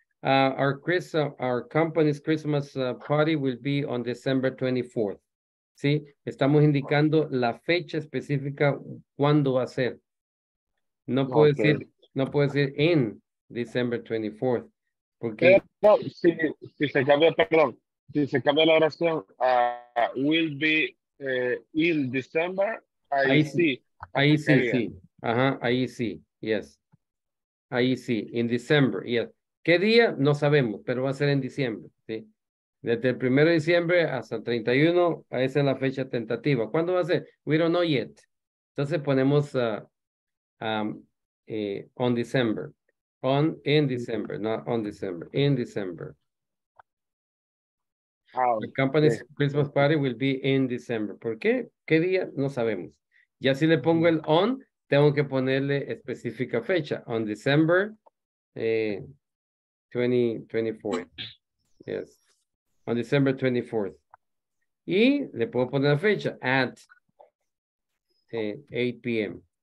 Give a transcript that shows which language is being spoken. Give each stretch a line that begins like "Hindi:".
English: Our company's Christmas party will be on December 24th.
Spanish: Sí, estamos indicando la fecha específica cuándo va a ser. No puedo decir, no puedo decir en December 24th. Porque pero, si se cambia, perdón, si se cambia la oración a
English: will be in December,
Spanish: ahí sí. Ajá, ahí sí, yes. Ahí sí,
English: in December, yes.
Spanish: ¿Qué día? No sabemos, pero va a ser en diciembre, sí. Desde el 1 de diciembre hasta el 31, esa es la fecha tentativa. ¿Cuándo va a ser?
English: We don't know yet.
Spanish: Entonces ponemos on December.
English: In December. Oh, the company's Christmas party will be in December.
Spanish: ¿Por qué? ¿Qué día? No sabemos. Ya si le pongo el on, tengo que ponerle específica fecha.
English: On December 2024. Yes. On December 24th.
Spanish: Y le puedo poner la fecha
English: at 8 p.m.